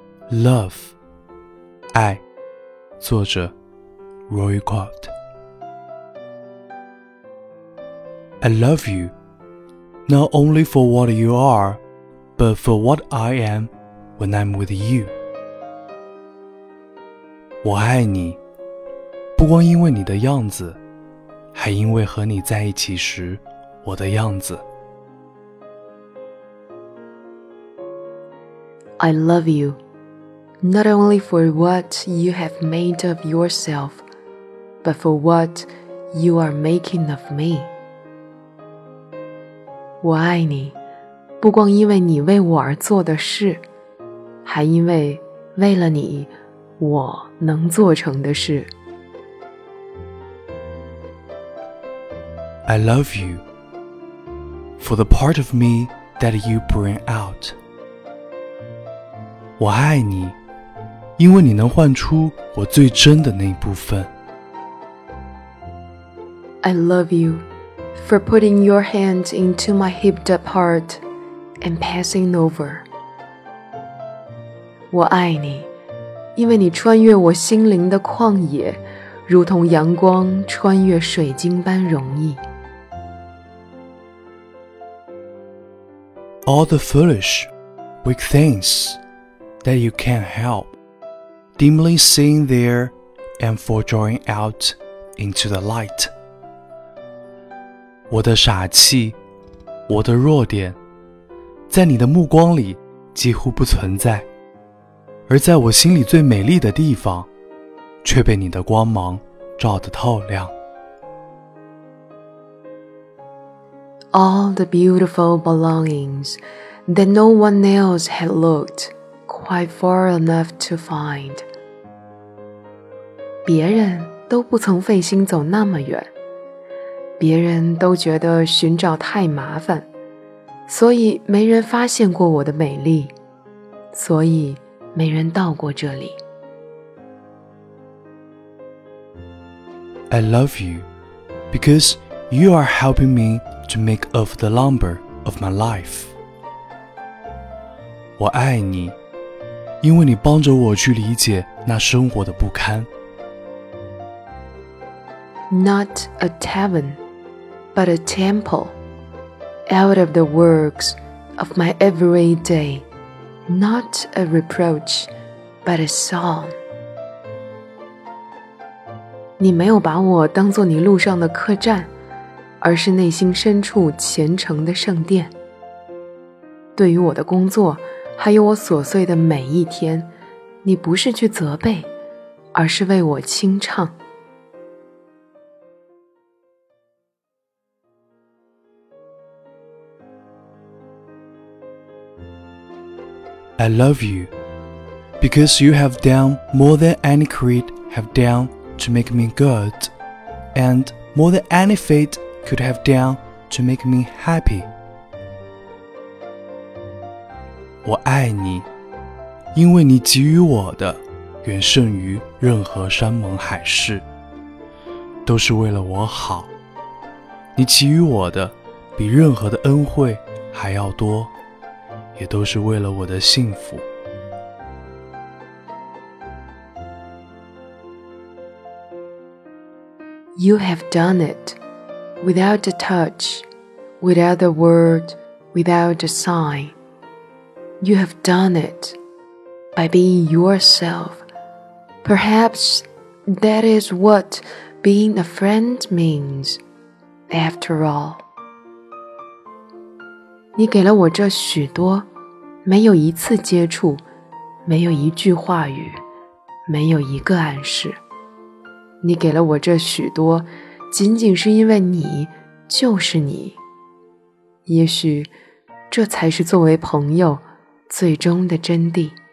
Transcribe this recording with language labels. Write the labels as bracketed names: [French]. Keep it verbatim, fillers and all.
[Chinese] Love 爱，作者 Roy Cott。 [English] I love you, not only for what you are, but for what I am when I'm with you. [Chinese] 我爱你，不光因为你的样子，还因为和你在一起时我的样子。 [English] I love you. Not only for what you have made of yourself, but for what you are making of me. [Chinese] 我爱你，不光因为你为我而做的事，还因为为了你，我能做成的事。 [English] I love you for the part of me that you bring out. [Chinese] 我爱你，因为你能唤出我最真的那一部分。 [English] I love you for putting your hand into my heaped up heart and passing over. [Chinese] 我爱你，因为你穿越我心灵的旷野，如同阳光穿越水晶般容易。 [English] All the foolish, weak things that you can't help. Dimly seeing there and for drawing out into the light. [Chinese] 我的傻气，我的弱点，在你的目光里几乎不存在，而在我心里最美丽的地方，却被你的光芒照得透亮。 [English] All the beautiful belongings that no one else had looked quite far enough to find. [Chinese] 别人都不曾费心走那么远，别人都觉得寻找太麻烦，所以没人发现过我的美丽，所以没人到过这里。 [English] I love you because you are helping me to make up the lumber of my life. [Chinese] 我爱你，因为你帮着我去理解那生活的不堪。 [English] Not a tavern, but a temple, out of the works of my every day, not a reproach, but a song. [Chinese] 你没有把我当作你路上的客栈，而是内心深处虔诚的圣殿。对于我的工作，还有我琐碎的每一天，你不是去责备，而是为我轻唱。 [English] I love you, because you have done more than any creed have done to make me good, and more than any fate could have done to make me happy. [Chinese] 我爱你，因为你给予我的远胜于任何山盟海誓，都是为了我好。你给予我的比任何的恩惠还要多。也都是为了我的幸福。 [English] You have done it, without a touch, without a word, without a sign. You have done it by being yourself. Perhaps that is what being a friend means, after all. [Chinese] 你给了我这许多，没有一次接触，没有一句话语，没有一个暗示。你给了我这许多，仅仅是因为你就是你。也许，这才是作为朋友最终的真谛。